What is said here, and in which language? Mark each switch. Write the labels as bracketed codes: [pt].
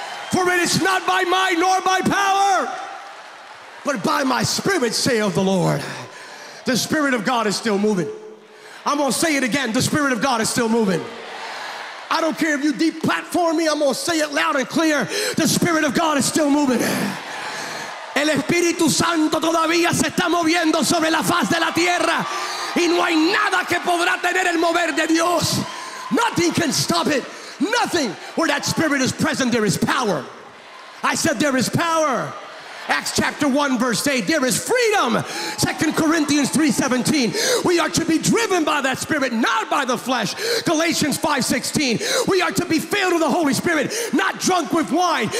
[en] For it is not by might nor by power, but by my spirit, saith the Lord. The spirit of God is still moving. I'm gonna say it again. The spirit of God is still moving. I don't care if you deplatform me. I'm gonna say it loud and clear. The spirit of God is still moving. [es] El Espíritu Santo todavía se está moviendo sobre la faz de la tierra. Y no hay nada que podrá tener el mover de Dios. [en] Nothing can stop it. Nothing. Where that Spirit is present, there is power. I said there is power. Acts chapter 1 verse 8, there is freedom. 2 Corinthians 3:17, we are to be driven by that Spirit, not by the flesh. Galatians 5:16, we are to be filled with the Holy Spirit, not drunk with wine.